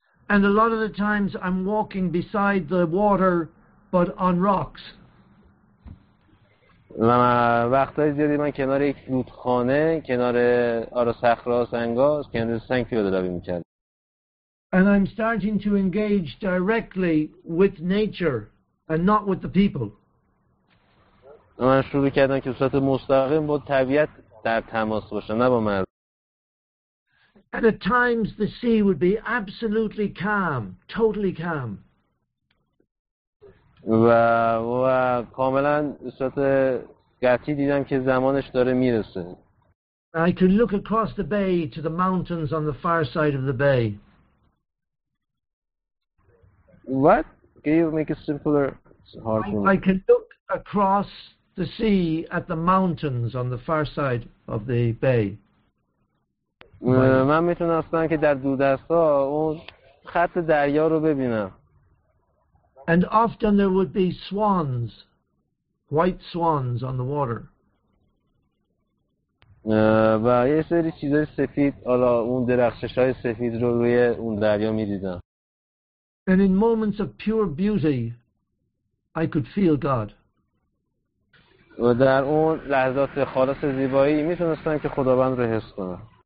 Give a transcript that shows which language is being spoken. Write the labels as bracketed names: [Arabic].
[English] And a lot of the times I'm walking beside the water but on rocks. [Persian] و وقتای زیادی من کنار یک رودخانه، کنار آره صخره سنگا، کنار سنگ پیاده روی می‌کردم. [English] And I'm starting to engage directly with nature and not with the people. [Persian] من شروع کردم که به صورت مستقیم با طبیعت در تماس باشم نه با مردم. [English] At times the sea would be absolutely calm, totally calm. [Persian] و کاملا به صورت قطعی دیدم که زمانش داره میرسه. [English] I can look across the bay to the mountains on the far side of the bay. What? Can you make it simpler? I can look across the sea at the mountains on the far side of the bay. [Persian] من میتونستم که در دوردست ها اون خط دریا رو ببینم. [English] And often there would be swans, white swans on the water. [Persian] و یه سری چیزای سفید، حالا اون درخشش‌های سفید رو روی اون دریا می‌دیدم. [English] And in moments of pure beauty, I could feel God. [Persian] و در اون لحظات خالص زیبایی می‌تونستم که خداوند رو حس کنم.